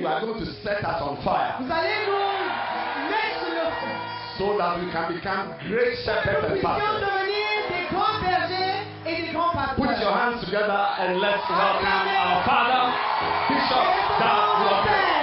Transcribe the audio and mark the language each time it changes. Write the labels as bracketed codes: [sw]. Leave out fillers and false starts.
[en] you are going to set us on fire. [fr] Vous allez nous mettre le feu. [en] So that we can become great shepherds and pastors. [fr] Nous puissions devenir des grands bergers et des grands pasteurs. [en] Put your hands together and let's welcome our Father, Bishop Dan Walker.